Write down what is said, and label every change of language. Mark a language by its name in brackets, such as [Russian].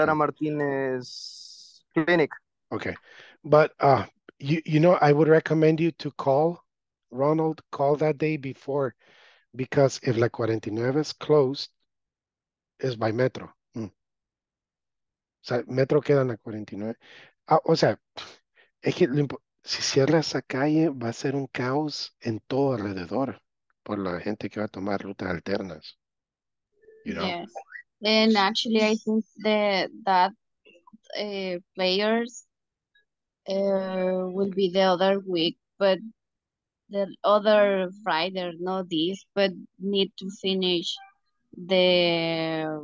[English] Melara Martinez Clinic. Okay. But you know, I would recommend you to call that day before, because if La 49 is closed, it's by Metro. [Spanish] Mm. O sea, Metro queda en la 49. Ah, o sea, es que si cierra esa calle, va a ser un caos en todo alrededor por la gente que va a tomar rutas alternas. [English] You know? Yes. And actually, I think that players will be the other week, but the other Friday, not this, but need to finish the...